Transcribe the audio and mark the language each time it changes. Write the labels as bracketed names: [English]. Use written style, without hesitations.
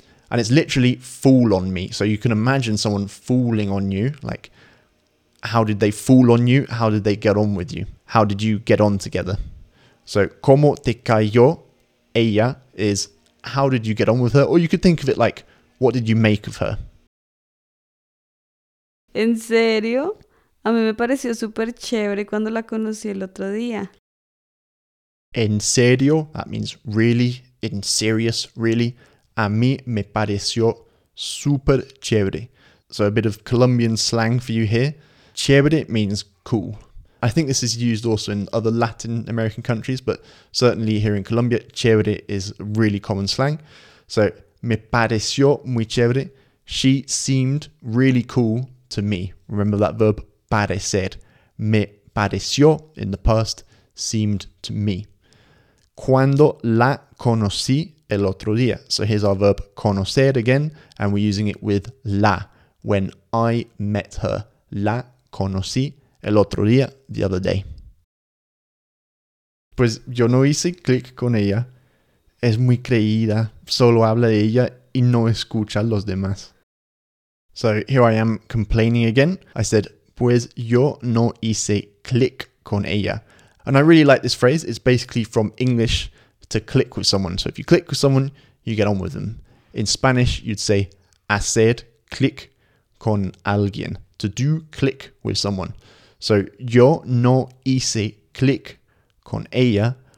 [English] And it's literally fool on me. So you can imagine someone fooling on you. Like, how did they fool on you? How did they get on with you? How did you get on together? So [Spanish] como te cayó ella [English] is how did you get on with her? Or you could think of it like, what did you make of her? [Spanish] En serio, a mí me pareció súper chévere cuando la conocí el otro día. En serio, [English] that means really, in serious, really. [Spanish] A mí me pareció súper chévere. [English] So a bit of Colombian slang for you here. Chévere means cool. I think this is used also in other Latin American countries, but certainly here in Colombia, chévere is really common slang. So [Spanish] me pareció muy chévere. [English] She seemed really cool to me. Remember that verb, parecer. Me pareció in the past, seemed to me. [Spanish] Cuando la conocí el otro día. [English] So here's our verb, conocer again, and we're using it with la. When I met her, [Spanish] la conocí el otro día, [English] the other day. [Spanish] Pues yo no hice clic con ella. Es muy creída. Solo habla de ella y no escucha los demás. [English] So here I am complaining again. I said, [Spanish] pues yo no hice clic con ella. [English] And I really like this phrase. It's basically from English to click with someone. So if you click with someone, you get on with them. In Spanish, you'd say [Spanish] hacer clic con alguien, [English] to do click with someone. [Spanish] So yo no hice clic con ella.